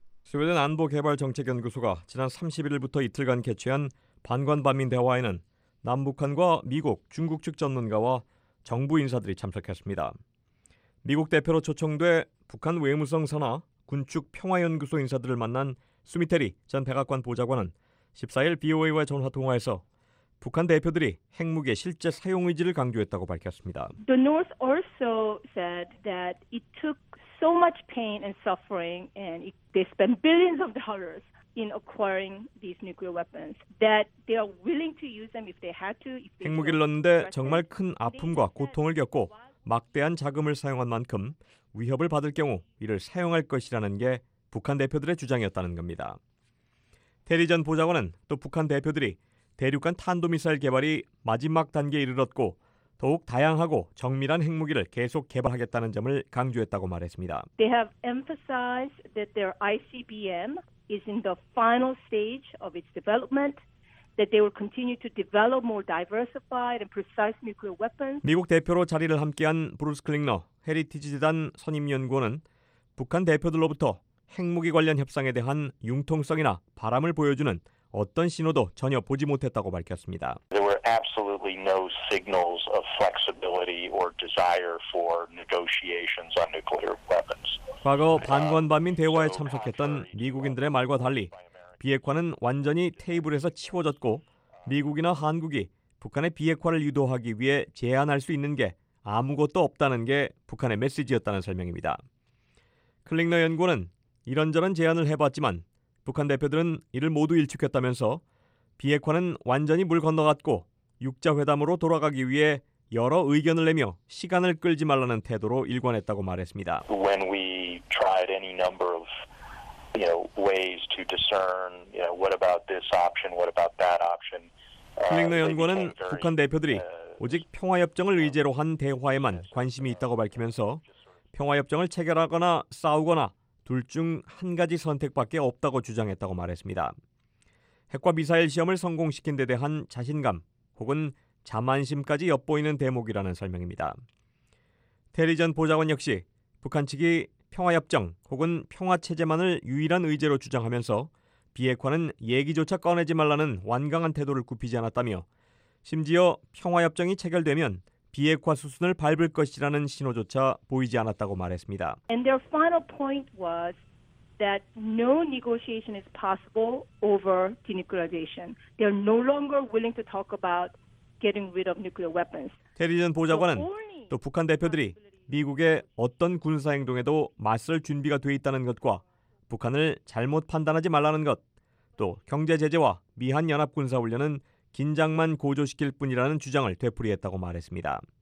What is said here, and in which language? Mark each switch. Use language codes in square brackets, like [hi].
[ko] 스웨덴 안보개발정책연구소가 지난 30일부터 이틀간 개최한 반관 반민 대화에는 남북한과 미국, 중국 측 전문가와 정부 인사들이 참석했습니다. 미국 대표로 초청돼 북한 외무성 산하 군축 평화연구소 인사들을 만난 스미테리 전 백악관 보좌관은 14일 BOA와 전화 통화에서 북한 대표들이 핵무기의 실제 사용 의지를 강조했다고 밝혔습니다. [en] The North also said that it took so much pain and suffering and they spent billions of dollars in acquiring these nuclear weapons that they are willing to use them if they had to. [ko] 핵무기를 넣는데 정말 큰 아픔과 고통을 겪고 막대한 자금을 사용한 만큼 위협을 받을 경우 이를 사용할 것이라는 게 북한 대표들의 주장이었다는 겁니다. 테리 전 보좌관은 또 북한 대표들이 대륙간 탄도미사일 개발이 마지막 단계에 이르렀고 더욱 다양하고 정밀한 핵무기를 계속 개발하겠다는 점을 강조했다고 말했습니다. [en] They have emphasized that their ICBM is in the final stage of its development, that they will continue to develop more diversified and precise nuclear weapons. [ko] 미국 대표로 자리를 함께한 브루스 클링너 헤리티지 재단 선임 연구원은 북한 대표들로부터 핵무기 관련 협상에 대한 융통성이나 바람을 보여주는 어떤 신호도 전혀 보지 못했다고 밝혔습니다. [en] There were absolutely no signals of flexibility or desire for negotiations on nuclear weapons. [ko] 과거 반관 반민 대화에 참석했던 미국인들의 말과 달리 비핵화는 완전히 테이블에서 치워졌고 미국이나 한국이 북한의 비핵화를 유도하기 위해 제안할 수 있는 게 아무것도 없다는 게 북한의 메시지였다는 설명입니다. 클링너 연구원은 이런저런 제안을 해봤지만 북한 대표들은 이를 모두 일축했다면서 비핵화는 완전히 물 건너갔고 육자회담으로 돌아가기 위해 여러 의견을 내며 시간을 끌지 말라는 태도로 일관했다고 말했습니다. [en] When we tried any number of ways to discern, what about this option, what about that option. [ko] 클링너 연구원은 북한 대표들이 오직 평화협정을 의제로 한 대화에만 관심이 있다고 밝히면서 평화협정을 체결하거나 싸우거나 둘 중 한 가지 선택밖에 없다고 주장했다고 말했습니다. 핵과 미사일 시험을 성공시킨 데 대한 자신감 혹은 자만심까지 엿보이는 대목이라는 설명입니다. 테리 전 보좌관 역시 북한 측이 평화협정 혹은 평화체제만을 유일한 의제로 주장하면서 비핵화는 얘기조차 꺼내지 말라는 완강한 태도를 굽히지 않았다며 심지어 평화협정이 체결되면 비핵화 수순을 밟을 것이라는 신호조차 보이지 않았다고 말했습니다. [en] And their final point was that no negotiation is possible over denuclearization. They are no longer willing to talk about getting rid of nuclear weapons. [ko] 테리 전 보좌관은 또 북한 대표들이 미국의 어떤 군사 행동에도 맞설 준비가 돼 있다는 것과 북한을 잘못 판단하지 말라는 것, 또 경제 제재와 미한 연합 군사 훈련은 긴장만 고조시킬 뿐이라는 주장을 되풀이했다고 말했습니다.